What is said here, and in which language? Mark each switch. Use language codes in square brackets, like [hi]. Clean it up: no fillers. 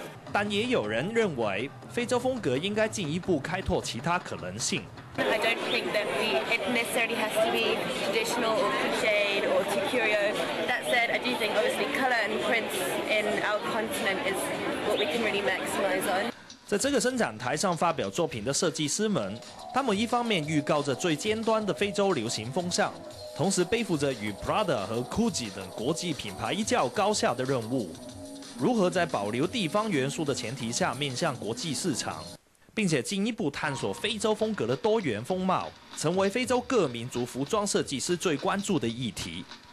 [zh] 但也有人认为非洲风格应该进一步开拓其他可能性。 [en] I don't think that it necessarily has to be traditional or cliched or too curio. That said, I do think obviously color and prints in our continent is what we can really maximize on. [zh] 在这个生产台上发表作品的设计师们，他们一方面预告着最尖端的非洲流行风向，同时背负着与 Prada 和 Gucci 等国际品牌一较高下的任务，如何在保留地方元素的前提下面向国际市场，并且进一步探索非洲风格的多元风貌，成为非洲各民族服装设计师最关注的议题。